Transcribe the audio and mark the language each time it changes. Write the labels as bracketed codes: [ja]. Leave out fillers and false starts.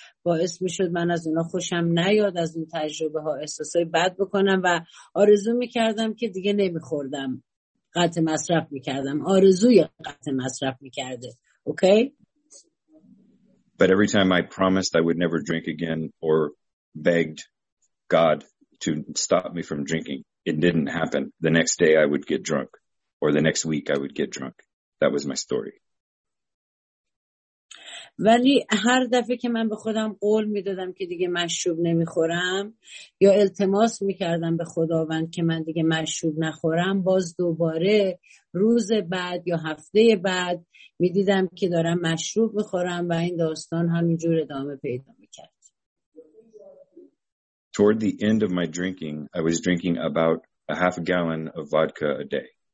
[fa] باعث میشد من از اونا خوشم نیاد، از اون تجربه ها احساسای بد بکنم و آرزو میکردم که دیگه نمیخوردم، قطع مصرف میکردم، آرزوی قطع مصرف میکرده. [en] Okay? But every time I promised I would never drink again or begged God to stop me from drinking, it didn't happen. The next day I would get drunk, or the next week I would get drunk. That was my story. [fa] ولی هر دفعه که من به خودم قول میدادم که دیگه مشروب نمیخورم یا التماس میکردم به خداوند که من دیگه مشروب نخورم، باز دوباره روز بعد یا هفته بعد میدیدم که دارم مشروب میخورم و این داستان همینجور ادامه پیدا میکرد. [en] Toward the end of my drinking, I was drinking about a half gallon of vodka a day.